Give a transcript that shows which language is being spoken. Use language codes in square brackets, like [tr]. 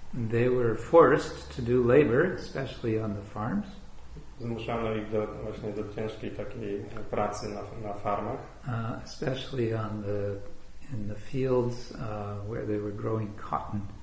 [en] They were forced to do labor, especially on the farms. [pl] Zmuszano ich do ciężkiej takiej pracy na farmach. [en] Especially on the in the fields where they were growing cotton.